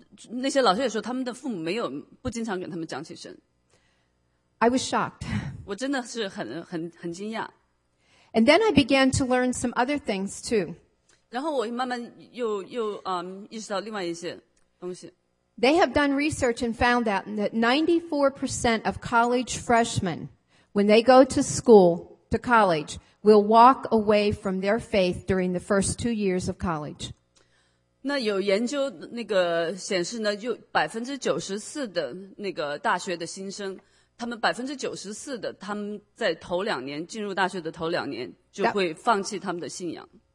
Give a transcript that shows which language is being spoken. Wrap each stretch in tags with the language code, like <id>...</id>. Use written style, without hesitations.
<zh>那些老师也说他们的父母没有不经常跟他们讲起神。</zh> <en>I was shocked.</en> <zh>我真的是很惊讶。</zh> <en>And then I began to learn some other things too.</en> <zh>然后我慢慢又意识到另外一些东西。</zh> <en>They have done research and found out that 94% of college freshmen, when they go to school, to college, will walk away from their faith during the first 2 years of college.</en> <zh>那有研究那个显示呢，就94%的那个大学的新生，他们94%的他们在头两年进入大学的头两年就会放弃他们的信仰。</zh>